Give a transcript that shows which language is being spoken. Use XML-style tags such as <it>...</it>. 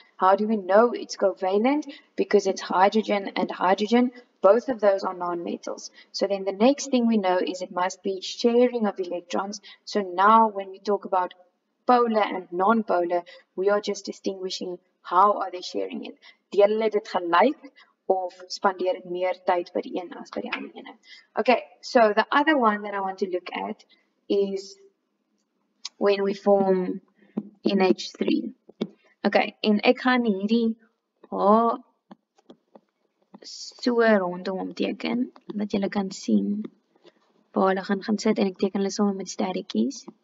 <en>How do we know it's covalent? Because it's hydrogen and hydrogen. Both of those are non-metals. So then the next thing we know is it must be sharing of electrons. So now when we talk about polar and non-polar, we are just distinguishing how are they sharing it.</en> <af>Deel hulle dit gelyk of spandeer dit meer tyd by die een as by die ander een?</af> <en>Okay, so the other one that I want to look at is when we form NH3.</en> <af>Okay, en ek gaan hierdie H so rondom teken, dat julle kan sien waar hulle gaan sit, en ek teken hulle sommer met sterretjies.</af>